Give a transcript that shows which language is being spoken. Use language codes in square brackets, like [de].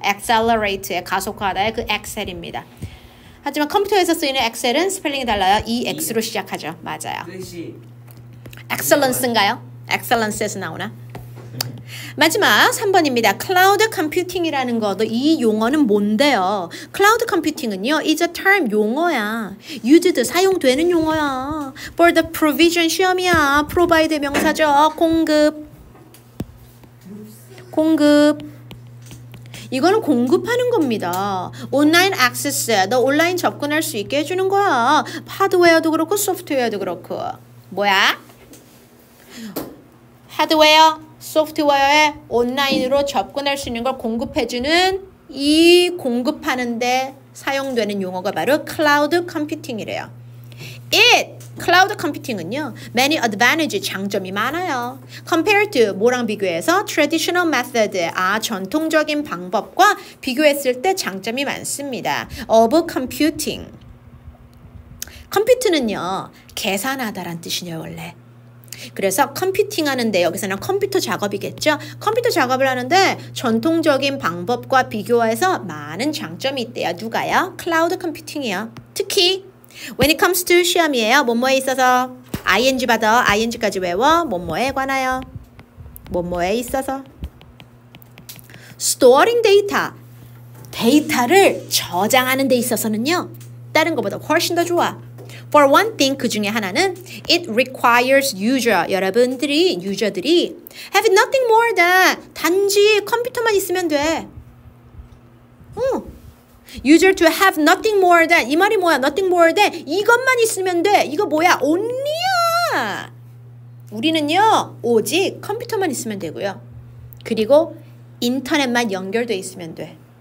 [ko] Accelerate 가속화하다의 그 Excel입니다. 하지만 컴퓨터에서 쓰이는 엑셀은 스펠링이 달라요. EX로 시작하죠. 맞아요. Excellence인가요? Excellence에서 나오나? 마지막 3번입니다. Cloud Computing이라는 것도 이 용어는 뭔데요? [en] Cloud Computing은요. It's a term [ko] 용어야. Used 사용되는 용어야. [en] For the provision [ko] 시험이야. Provide 명사죠. 공급. 공급. 이거는 공급하는 겁니다. [en] Online access, [ko] 너 온라인 접근할 수 있게 해주는 거야. 하드웨어도 그렇고 소프트웨어도 그렇고. 뭐야? 하드웨어, 소프트웨어에 온라인으로 접근할 수 있는 걸 공급해주는 이 공급하는 데 사용되는 용어가 바로 클라우드 컴퓨팅이래요. It! 클라우드 컴퓨팅은요. [en] Many advantages, [ko] 장점이 많아요. [en] Compared to, [ko] 뭐랑 비교해서? [en] Traditional method, [ko] 전통적인 방법과 비교했을 때 장점이 많습니다. [en] Of computing. [ko] 컴퓨터는요. 계산하다란 뜻이네요, 원래. 그래서 컴퓨팅 하는데 여기서는 컴퓨터 작업이겠죠? 컴퓨터 작업을 하는데 전통적인 방법과 비교해서 많은 장점이 있대요. 누가요? 클라우드 컴퓨팅이요. 특히 [en] When it comes to [ko] 시험이에요. 뭐뭐에 있어서 ing 받아. ing까지 외워. 뭐뭐에 관하여. 뭐뭐에 있어서. [en] Storing data. [ko] 데이터를 저장하는 데 있어서는요. 다른 것보다 훨씬 더 좋아. [en] For one thing [ko] 그 중에 하나는 [en] It requires user. [ko] 여러분들이, 유저들이 [en] Have nothing more than [ko] 단지 컴퓨터만 있으면 돼. [en] User to have nothing more than [ko] 이 말이 뭐야? [en] Nothing more than [ko] 이것만 있으면 돼. 이거 뭐야? Only야. 우리는요 오직 컴퓨터만 있으면 되고요. 그리고 인터넷만 연결돼 있으면 돼.